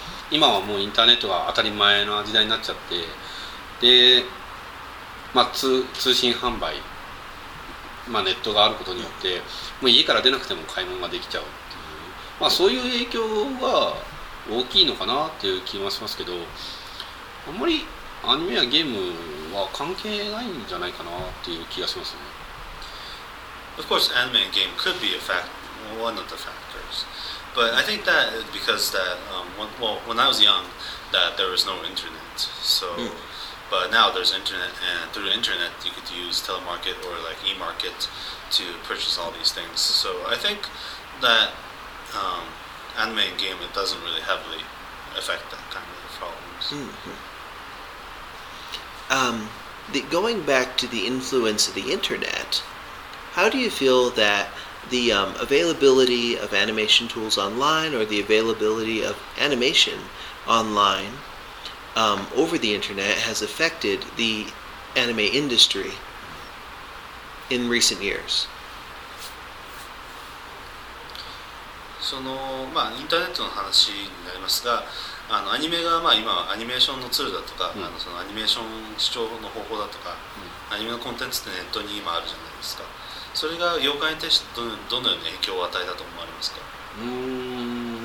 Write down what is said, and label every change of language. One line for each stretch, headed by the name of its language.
Japanese: 今はもうインターネットが当たり前の時代になっちゃって、で、まあ、通信販売、まあ、ネットがあることによってもう家から出なくても買い物ができちゃうっていう、まあ、そういう影響が大きいのかなっていう気はしますけど、あんまりアニメやゲームは関係ないんじゃないかなっていう気がしますね。
English: Of course, anime and game could be a fact, one of the factors. But I think that because that, when I was young, that there was no internet. So, but now there's internet, and through the internet, you could use telemarket or like e-market to purchase all these things. So I think that anime and game, it doesn't really heavily affect that kind of problems. Going back to the influence of the internet, how do you feel that... The availability of animation tools online, or the availability of animation online over the internet, has affected the anime industry in recent years.
Japanese: その、まあ、インターネットの話になりますが、アニメが、まあ、今はアニメーションのツールだとか、そのアニメーション視聴の方法だとか、アニメのコンテンツってネットに今あるじゃないですか。それが業界に対してどのような影響を与えたと思われますか？